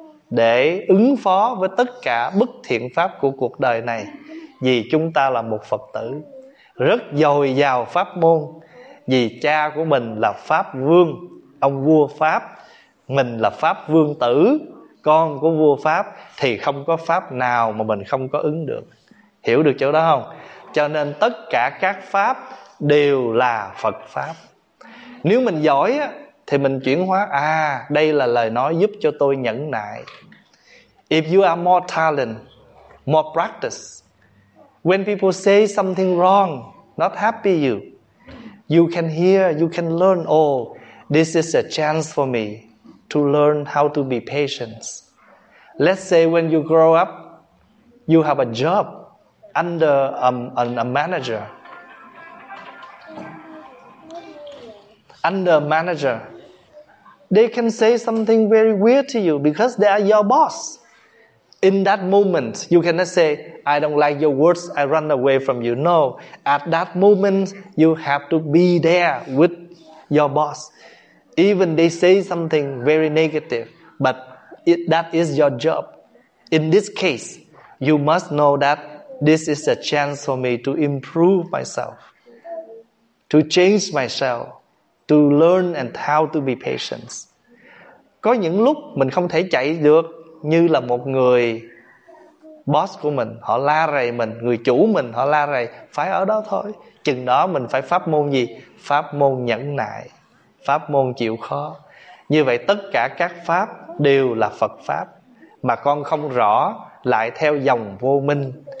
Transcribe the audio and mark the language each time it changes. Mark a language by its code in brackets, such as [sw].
[vi] để ứng phó với tất cả bất thiện pháp của cuộc đời này, vì chúng ta là một Phật tử rất dồi dào pháp môn, vì cha của mình là Pháp Vương, ông vua Pháp, mình là Pháp Vương tử, con của vua Pháp, thì không có pháp nào mà mình không có ứng được. Hiểu được chỗ đó không? Cho nên tất cả các pháp đều là Phật pháp. Nếu mình giỏi á, thì mình chuyển hóa, à đây là lời nói giúp cho tôi nhẫn nại. [en] If you are more talent, more practice, when people say something wrong, not happy you, you can hear, you can learn, oh, this is a chance for me to learn how to be patient. Let's say when you grow up, you have a job under a manager. Under a manager, they can say something very weird to you because they are your boss. In that moment, you cannot say, I don't like your words, I run away from you. No, at that moment, you have to be there with your boss. Even they say something very negative, but that is your job. In this case, you must know that this is a chance for me to improve myself, to change myself, to learn and how to be patient. [vi] Có những lúc mình không thể chạy được, như là một người boss của mình, họ la rầy mình, người chủ mình họ la rầy, phải ở đó thôi. Chừng đó mình phải pháp môn gì? Pháp môn nhẫn nại, pháp môn chịu khó. Như vậy tất cả các pháp đều là Phật pháp, mà con không rõ lại theo dòng vô minh.